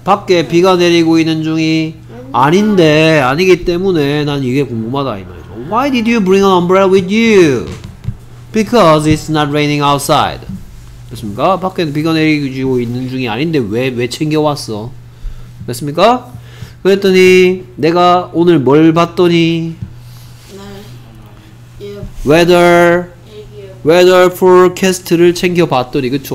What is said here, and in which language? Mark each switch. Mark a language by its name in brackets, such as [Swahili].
[Korean] 밖에 비가 내리고 있는 중이 아닌데 아니기 때문에 난 이게 궁금하다 이 말이죠. [English] Why did you bring an umbrella with you? Because it's not raining outside. [Korean] 됐습니까? 밖에 비가 내리고 있는 중이 아닌데 왜 챙겨왔어? 됐습니까? 그랬더니 내가 오늘 뭘 봤더니 weather forecast를 챙겨봤더니 그쵸?